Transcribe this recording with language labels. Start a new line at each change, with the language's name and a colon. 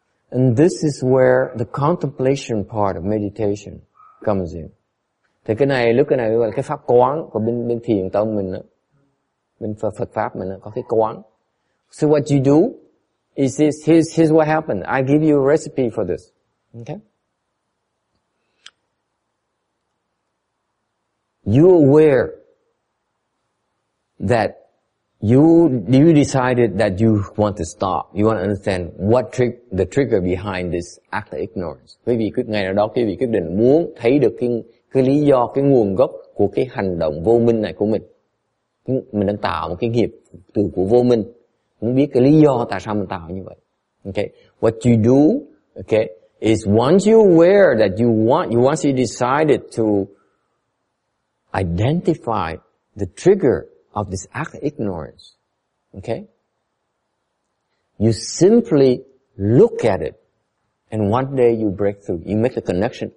English: And this is where the contemplation part of meditation comes in.
Vietnamese: Thì cái này, lúc cái này gọi là cái pháp quán của bên thiền tông mình đó. Bên Phật pháp mình đó, có cái quán.
English: So what you do is this, here's what happened. I give you a recipe for this. Okay? You're aware that you decided that you want to stop. You want to understand what the trigger behind this act of ignorance.
Vietnamese: Quý vị ngày nào đó quý vị quyết định muốn thấy được cái lý do, cái nguồn gốc của cái hành động vô minh này của mình. Mình đang tạo một cái nghiệp từ của vô minh. Muốn biết cái lý do tại sao mình tạo như vậy.
English: Okay. What you do, okay, is once you're aware that once you decided to identify the trigger of this act of ignorance. Okay? You simply look at it and one day you break through. You make a connection.